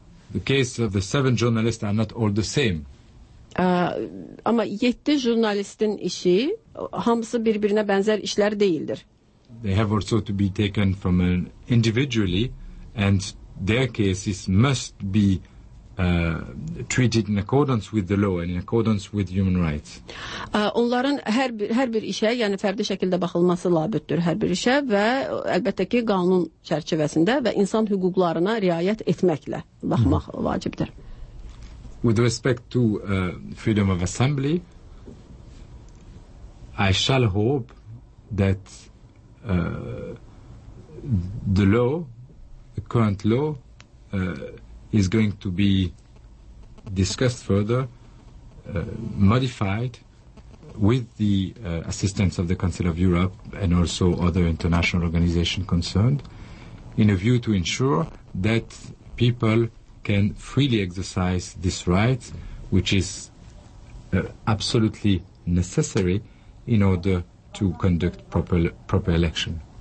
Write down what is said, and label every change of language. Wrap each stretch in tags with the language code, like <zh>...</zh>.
<en>The case of the 7 journalists are not all the same.</en> <az>Amma 7 jurnalistin işi hamısı bir-birinə bənzər işlər deyildir.</az> <en>They have also to be taken from an individually and their cases must be treated in accordance with the law and in accordance with human rights.</en> <az>Onların hər bir işə, yəni fərdi şəkildə baxılması labüddür hər bir işə və əlbəttə ki qanun çərçivəsində və insan hüquqlarına riayət etməklə baxmaq vacibdir.</az> <en>With respect to freedom of assembly, I shall hope that the law, the current law, is going to be discussed further, modified with the assistance of the Council of Europe and also other international organizations concerned, in a view to ensure that people can freely exercise this right, which is absolutely necessary in order to conduct proper election.</en>